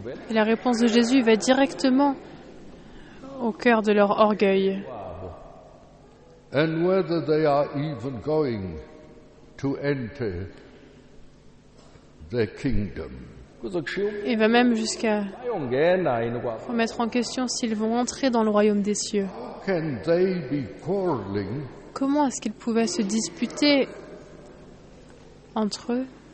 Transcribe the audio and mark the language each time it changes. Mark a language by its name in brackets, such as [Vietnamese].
[French] Et la réponse de Jésus va directement au cœur de leur orgueil. [English] And whether they are even going to enter their kingdom. [French] Et va même jusqu'à remettre en question s'ils vont entrer dans le royaume des cieux. [English] Can they be quarreling? [French] Comment est-ce qu'ils pouvaient se disputer entre eux?